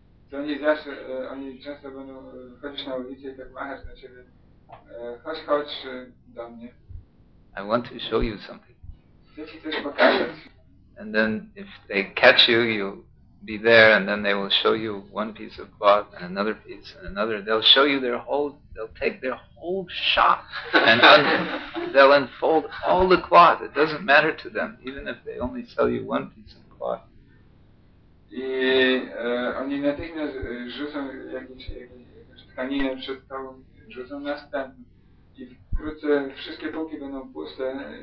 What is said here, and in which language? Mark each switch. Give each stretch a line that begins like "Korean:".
Polish: To oni zawsze, oni często będą chodzić na ulicę i tak machać na ciebie, chodź do mnie.
English: I want to show you something.
Polish: Chcę ci coś pokazać.
English: And then if they catch you, you'll be there, and then they will show you one piece of cloth and another piece and another. They'll show you they'll take their whole shop and they'll unfold all the cloth. It doesn't matter to them, even if they only sell you one piece of cloth.
Polish: I oni natychmiast rzucą jakąś tkaninę przed tobą, rzucą następną. I wkrótce wszystkie półki będą puste.